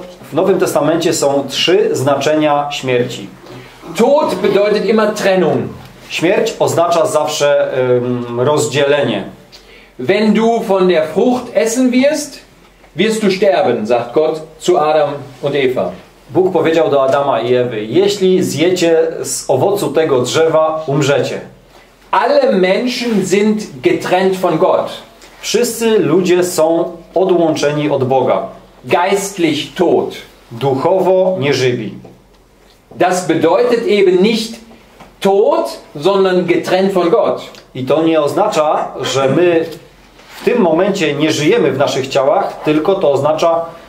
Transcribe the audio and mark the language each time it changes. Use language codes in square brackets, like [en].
[pl] W Nowym Testamencie są trzy znaczenia śmierci. [de] Tod bedeutet immer Trennung. [pl] Śmierć oznacza zawsze rozdzielenie. [de] Wenn du von der Frucht essen wirst, wirst du sterben, sagt Gott zu Adam und Eva. [pl] Bóg powiedział do Adama i Ewy: jeśli zjecie z owocu tego drzewa, umrzecie. [de] Alle Menschen sind getrennt von Gott. [pl] Wszyscy ludzie są odłączeni od Boga. [de] Geistlich tot. [pl] Duchowo nieżywi. [de] Das bedeutet eben nicht tot, sondern getrennt von Gott. [pl] I to nie oznacza, że my w tym momencie nie żyjemy w naszych ciałach, tylko to oznacza